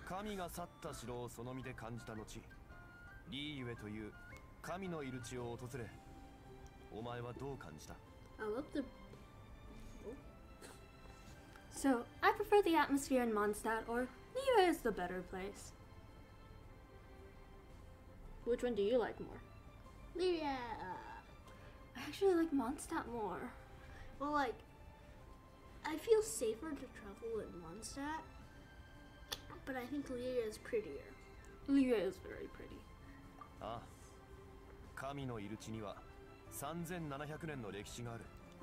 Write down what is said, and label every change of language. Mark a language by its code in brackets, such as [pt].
[ja] 神が去った城をその身で感じた後、リーユエという神のいる地を訪れ、お前はどう感じた？ [en] So, I prefer the atmosphere in Mondstadt, or Liyue is the better place. Which one do you like more? Liyue! I actually like Mondstadt more. Well, like, I feel safer to travel in Mondstadt, but I think Liyue is prettier. Liyue is very pretty. [ja] Ah, 神のいる地には3700年の歴史がある。